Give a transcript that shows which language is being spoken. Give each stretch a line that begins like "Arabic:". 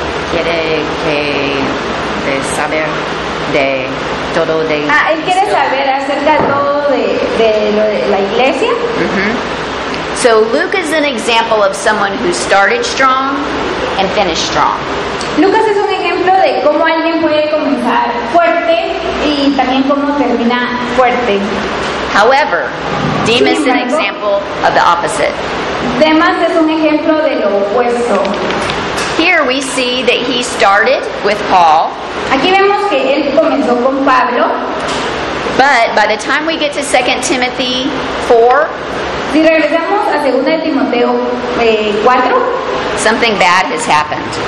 Spanish: quiere que de saber de todo de él quiere saber acerca de todo de lo de la iglesia.
English: So Luke is an example of someone who started strong and finished strong.
Spanish: Lucas es un ejemplo de cómo alguien puede comenzar fuerte y también cómo termina fuerte.
English: However, Demas is an example of the opposite.
Spanish: Demas es un ejemplo de lo opuesto.
English: Here we see that he started with Paul.
Spanish: Aquí vemos que él comenzó con Pablo.
English: But by the time we get to 2 Timothy 4,
Spanish: si regresamos a 2 Timoteo 4,
English: something bad has happened.